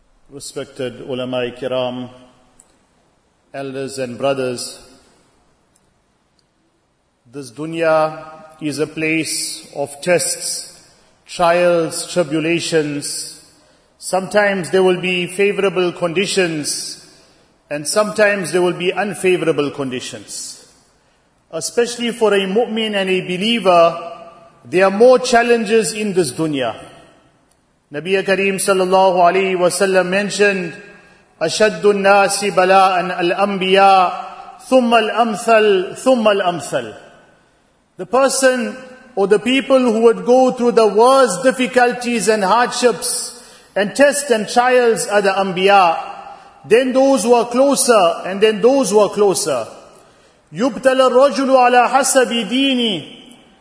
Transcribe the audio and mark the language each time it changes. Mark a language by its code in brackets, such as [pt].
[en] Respected ulama-i kiram, elders and brothers, this dunya is a place of tests, trials, tribulations. Sometimes there will be favorable conditions and sometimes there will be unfavorable conditions. Especially for a mu'min and a believer, there are more challenges in this dunya. [ar] Nabi Kareem sallallahu alayhi wa sallam [en] mentioned, [ar] أَشَدُّ النَّاسِ بَلَاءً الْأَنْبِيَاءِ ثُمَّ الْأَمْثَلِ ثُمَّ الْأَمْثَلِ. [en] The person or the people who would go through the worst difficulties and hardships and tests and trials are the Anbiya. Then those who are closer and then those who are closer. [ar] يُبْتَلَ الرَّجُلُ عَلَى حَسَبِ دِينِ.